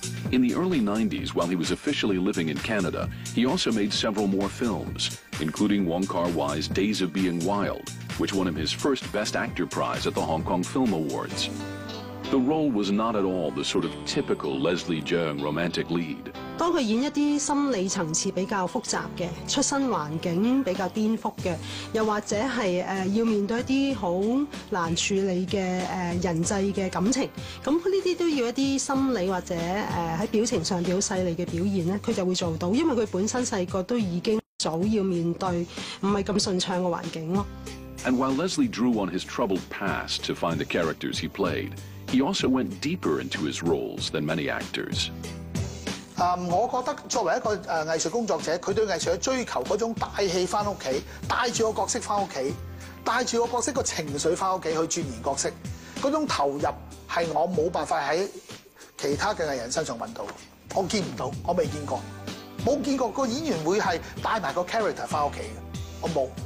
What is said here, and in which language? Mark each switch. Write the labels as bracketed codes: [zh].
[en] In the early 90s, while he was officially living in Canada, he also made several more films, including Wong Kar-wai's Days of Being Wild, which won him his first Best Actor prize at the Hong Kong Film Awards. The role was not at all the sort of typical Leslie Cheung romantic lead. [yue] 當佢演一啲心理層次比較複雜嘅、出身環境比較顛覆嘅，又或者係要面對一啲好難處理嘅人際嘅感情，咁呢啲都要一啲心理或者喺表情上表細膩嘅表現咧，佢就會做到，因為佢本身細個都已經早要面對唔係咁順暢嘅環境咯。 [en] And while Leslie drew on his troubled past to find the characters he played, he also went deeper into his roles than many actors. [yue] 我覺得作為一個藝術工作者，佢對藝術嘅追求嗰種帶戲翻屋企，帶住個角色翻屋企，帶住個角色個情緒翻屋企去轉演角色，嗰種投入係我冇辦法喺其他嘅藝人身上揾到，我見唔到，我未見過，冇見過個演員會係帶埋個 character 翻屋企嘅，我冇。